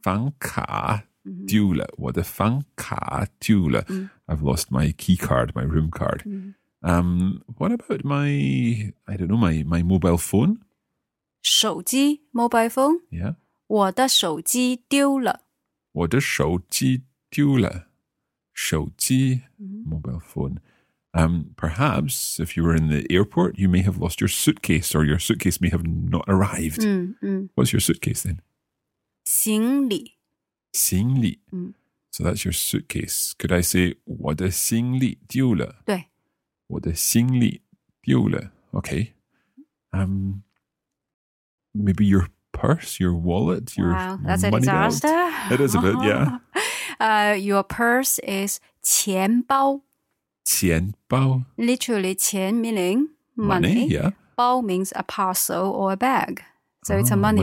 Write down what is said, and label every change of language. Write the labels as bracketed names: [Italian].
[Chinese] 房卡丢了。我的房卡丢了。 [English] I've lost my key card, my room card. What about my, I don't know, my mobile phone? 手机, mobile phone? Yeah. [Chinese] 我的手机丢了。我的手机丢了。手机, [English] mobile phone. Perhaps if you were in the airport, you may have lost your suitcase or your suitcase may have not arrived. What's your suitcase then? [Chinese] 行李. [English] So that's your suitcase. Could I say, [Chinese] 我的行李丢了。对。我的行李丢了. [English] Okay. Maybe your purse, your wallet, your money belt. That's a disaster. It is a bit, yeah. Your purse is 钱包. [Chinese] 钱包. [English] Literally, 钱 meaning money. Money, yeah. 包 means a parcel or a bag. So it's a money,